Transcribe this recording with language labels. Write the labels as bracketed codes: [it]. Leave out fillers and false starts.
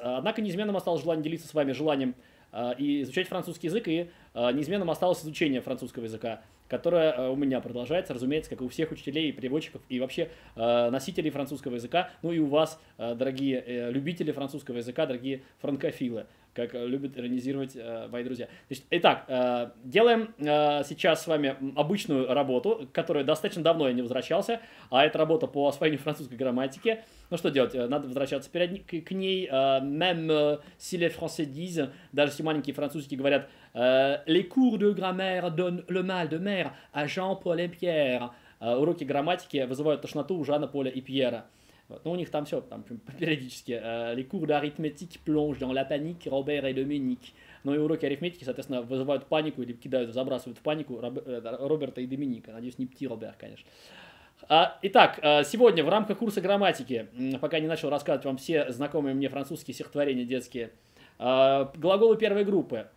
[ru] Однако неизменным осталось желание делиться с вами желанием и изучать французский язык, и неизменным осталось изучение французского языка, которое у меня продолжается, разумеется, как и у всех учителей и переводчиков, и вообще носителей французского языка, ну и у вас, дорогие любители французского языка, дорогие франкофилы, как любят иронизировать мои друзья. Значит, итак, делаем сейчас с вами обычную работу, к которой достаточно давно я не возвращался, а это работа по освоению французской грамматики. Ну что делать, надо возвращаться перед к ней. [fr] Même si les français disent, [ru] даже если маленькие французики говорят, [fr] les cours de grammaire donnent le mal de mer à Jean-Paul et Pierre. [ru] Уроки грамматики вызывают тошноту у Жана, Поля и Пьера. Вот. Ну, у них там все там, периодически. [fr] Les cours d'arithmétique plongent dans la panique Robert et Dominique. [ru] Ну, и уроки арифметики, соответственно, вызывают панику или кидают, забрасывают в панику Роберта и Доминика. Надеюсь, не пти Роберт, конечно. Итак, сегодня в рамках курса грамматики, пока не начал рассказывать вам все знакомые мне французские стихотворения детские, глаголы первой группы.